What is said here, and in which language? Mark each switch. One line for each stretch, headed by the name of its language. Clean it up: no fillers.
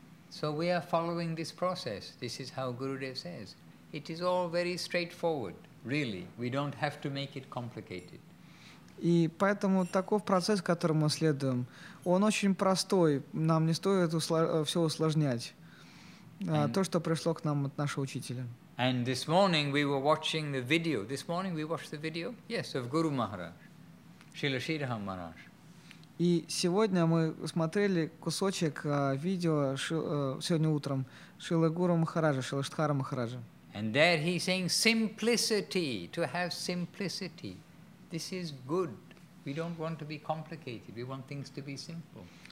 English: So we are following this process. This is how Gurudev says. It is all very straightforward, really. We don't have to make it complicated.
Russian: И поэтому таков процесс, которому мы следуем. Он очень простой. Нам не стоит все усложнять. То, что пришло к нам от нашего учителя.
English: And this morning we were watching the video. This morning we watched the video? Yes, of Guru Maharaj. Srila Sridhara Maharaj.
Russian: И сегодня мы смотрели кусочек видео сегодня утром Шрилы Гуру Махараджа, Шрилы Штхара Махараджа.
English: And there he's saying simplicity, to have simplicity. This is good. We don't want to be complicated. We want things to be simple.